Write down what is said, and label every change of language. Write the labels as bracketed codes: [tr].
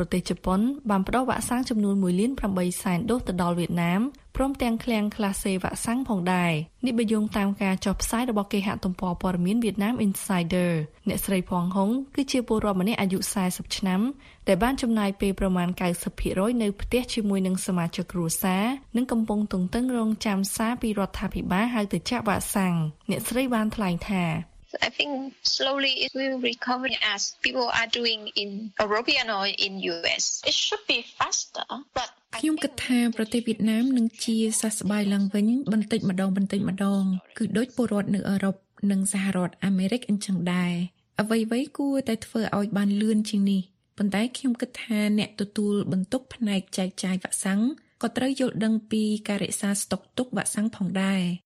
[km] រទេសជប៉ុនបានផ្ដល់វ៉ាក់សាំងចំនួន 1,800,000 ដូសទៅដល់វៀតណាមព្រមទាំងឃ្លាំងក្លាសេវ៉ាក់សាំងផងដែរនេះបើយោងតាមការចុះផ្សាយរបស់គេហទំព័រព័ត៌មាន Vietnam Insider អ្នកស្រីផងហុងគឺជាពលរដ្ឋម្នាក់អាយុ40ឆ្នាំដែលបានចំណាយពេលប្រមាណ 90% នៅផ្ទះជាមួយនឹងសមាជិកគ្រួសារនិងកំពុងទន្ទឹងរង់ចាំសារពីរដ្ឋាភិបាលហៅទៅចាក់វ៉ាក់សាំងអ្នកស្រីបានថ្លែងថា [en] So I think slowly it will recover as people are doing in Europe or in US. It should be faster, but... [km] ខ្ញុំគិតថាប្រទេសវៀតណាមនឹងជាសះស្បើយឡើងវិញបន្តិចម្ដងបន្តិចម្ដងគឺដូចពលរដ្ឋនៅអឺរ៉ុបនិងសហរដ្ឋអាមេរិកអញ្ចឹងដែរអ្វីៗគួរតែធ្វើឲ្យបានលឿនជាងនេះប៉ុន្តែខ្ញុំគិតថាអ្នកទទួលបន្ទុកផ្នែកចែកចាយវ៉ាក់សាំងក៏ត្រូវយល់ដឹងពីការរក្សាស្តុកទុកវ៉ាក់សាំងផងដែរ